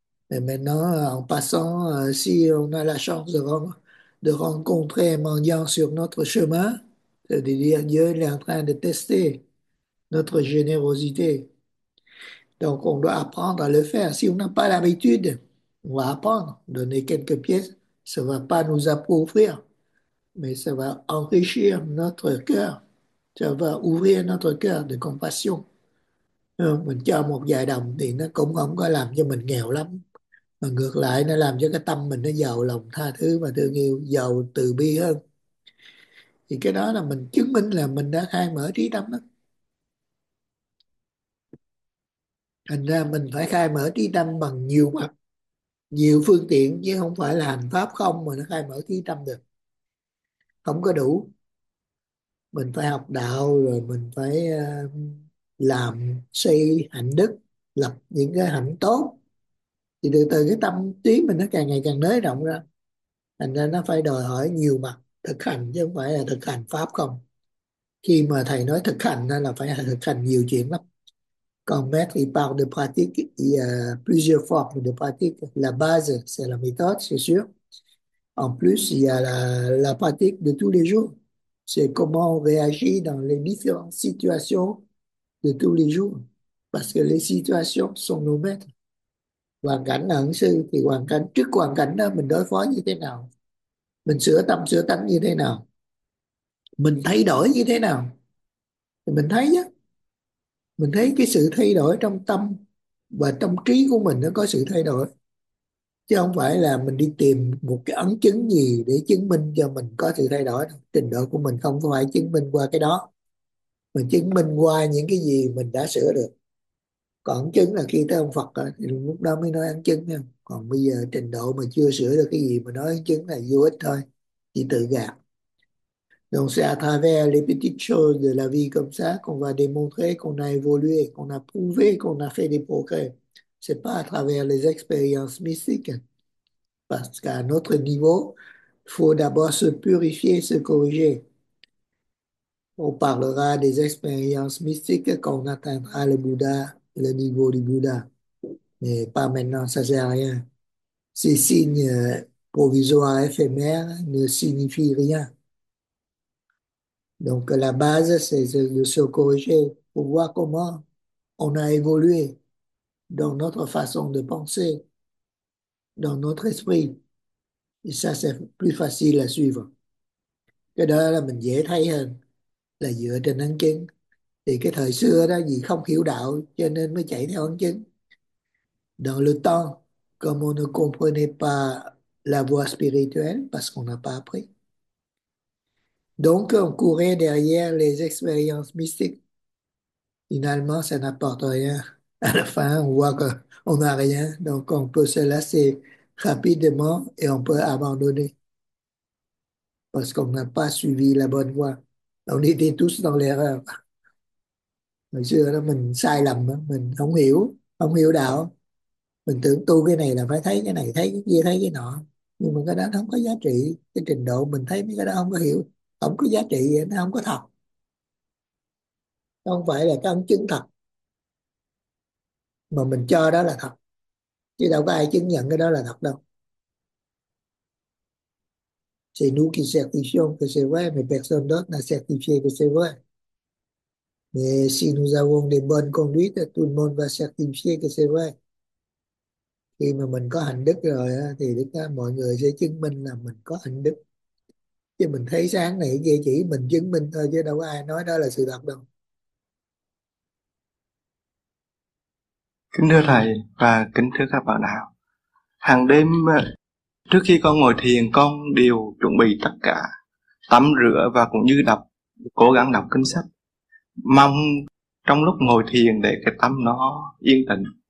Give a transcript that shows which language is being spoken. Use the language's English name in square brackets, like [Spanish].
[French] Mais maintenant, en passant, si on a la chance de rencontrer un mendiant sur notre chemin, c'est-à-dire Dieu est en train de tester notre générosité. Donc on doit apprendre à le faire. Si on n'a pas l'habitude, on va apprendre, donner quelques pièces. Ça va pas nous appauvrir, mais ça va enrichir notre cœur. Ça va ouvrir notre cœur de compassion. [Vietnamese] Mình cho một vài đồng thì nó cũng không có làm cho mình nghèo lắm. Mà ngược lại nó làm cho cái tâm mình nó giàu lòng tha thứ và thương yêu, giàu từ bi hơn. Thì cái đó là mình chứng minh là mình đã khai mở trí tâm đó. Thành ra mình phải khai mở trí tâm bằng nhiều mặt, nhiều phương tiện, chứ không phải là hành pháp không mà nó khai mở trí tâm được. Không có đủ. Mình phải học đạo, rồi mình phải làm xây hạnh đức, lập những cái hạnh tốt. Thì từ từ cái tâm trí mình nó càng ngày càng nới rộng ra. Thành ra nó phải đòi hỏi nhiều mặt thực hành, chứ không phải là thực hành pháp không. Khi mà thầy nói thực hành là phải thực hành nhiều chuyện lắm. [French] Còn maître il parle de pratique, il y a plusieurs formes de pratique. La base, c'est la méthode, c'est sûr. En plus, il y a la pratique de tous les jours. C'est comment on réagit dans les différentes situations de tous les jours. Parce que les situations sont nos maîtres. [Vietnamese] Hoàn cảnh là ứng sư, thì hoàn cảnh, trước hoàn cảnh đó, mình đối phó như thế nào? Mình sửa tâm, sửa tánh như thế nào? Mình thay đổi như thế nào? Thì mình thấy nhé. Mình thấy cái sự thay đổi trong tâm và trong trí của mình nó có sự thay đổi. Chứ không phải là mình đi tìm một cái ấn chứng gì để chứng minh cho mình có sự thay đổi. Trình độ của mình không phải chứng minh qua cái đó. Mình chứng minh qua những cái gì mình đã sửa được. Còn ấn chứng là khi tới ông Phật thì lúc đó mới nói ấn chứng nha. Còn bây giờ trình độ mà chưa sửa được cái gì mà nói ấn chứng là vô ích thôi. Chỉ tự gạt. [French] Donc, c'est à travers les petites choses de la vie comme ça qu'on va démontrer qu'on a évolué, qu'on a prouvé qu'on a fait des progrès. C'est pas à travers les expériences mystiques. Parce qu'à notre niveau, faut d'abord se purifier, se corriger. On parlera des expériences mystiques quand on atteindra le Bouddha, le niveau du Bouddha. Mais pas maintenant, ça sert à rien. Ces signes provisoires, éphémères, ne signifient rien. Donc la base, c'est de se corriger pour voir comment on a évolué dans notre façon de penser, dans notre esprit. Et ça, c'est plus facile à suivre. [Vietnamese] Cái đó là mình dễ thấy hơn, là dựa trên ấn chứng. Thì cái thời xưa đó, vì không hiểu đạo cho nên mới chạy theo ấn chứng. [French] Dans le temps, comme on ne comprenait pas la voie spirituelle, parce qu'on n'a pas appris, donc, on courait derrière les expériences mystiques. Finalement, ça n'apporte rien. À la fin, on voit qu'on n'a rien. Donc, on peut se lasser rapidement et on peut abandonner. Parce qu'on n'a pas suivi la bonne voie. On était tous dans l'erreur. [Vietnamese] Hồi xưa, là mình sai lầm, mình không hiểu đạo. Mình tưởng tu cái này là phải thấy cái này, thấy cái kia, thấy cái nọ. Nhưng mà cái đó không có giá trị. Cái trình độ mình thấy mấy cái đó không có hiểu, không có giá trị, nó không có thật, không phải là cái ấn chứng thật mà mình cho đó là thật, chứ đâu có ai chứng nhận cái đó là thật đâu. [French] C'est nous qui certifions que c'est vrai, mais personne d'autre n'a certifié que c'est vrai. Mais si nous avons des bonnes conduites, tout le monde va certifier que c'est vrai. [Vietnamese] Khi mà mình có hạnh đức rồi thì tất cả mọi người sẽ chứng minh là mình có hạnh đức. Chứ mình thấy sáng này kia chỉ mình chứng minh thôi, chứ đâu có ai nói đó là sự thật đâu. Kính thưa thầy và kính thưa các bạn đạo, hàng đêm trước khi con ngồi thiền, con đều chuẩn bị tất cả, tắm rửa và cũng như đọc, cố gắng đọc kinh sách, mong trong lúc ngồi thiền để cái tâm nó yên tĩnh.